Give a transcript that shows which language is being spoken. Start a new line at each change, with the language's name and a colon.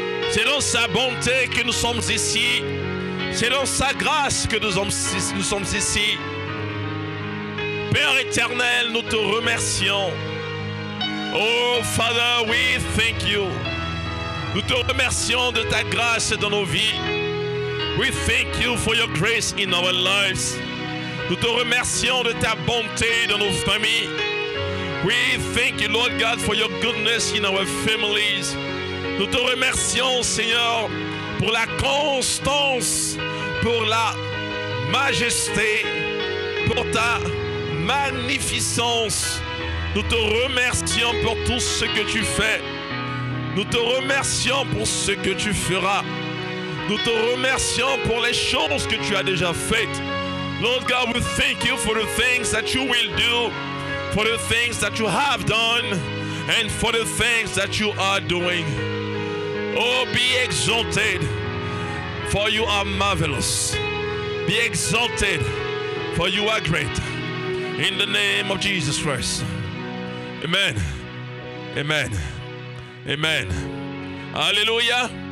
French: C'est dans sa bonté que nous sommes ici. C'est dans sa grâce que nous sommes ici. Père éternel, nous te remercions.
English: Oh, Father, we thank you.
French: Nous te remercions de ta grâce dans nos vies.
English: We thank you for your grace in our lives.
French: Nous te remercions de ta bonté dans nos familles.
English: We thank you, Lord God, for your goodness in our families.
French: Nous te remercions, Seigneur, pour la constance, pour la majesté, pour ta magnificence. Nous te remercions pour tout ce que tu fais. Nous te remercions pour ce que tu feras. Nous te remercions pour les choses que tu as déjà faites.
English: Lord God, we thank you for the things that you will do, for the things that you have done, and for the things that you are doing. Oh, be exalted, for you are marvelous. Be exalted, for you are great. In the name of Jesus Christ. Amen. Amen. Amen. Alléluia.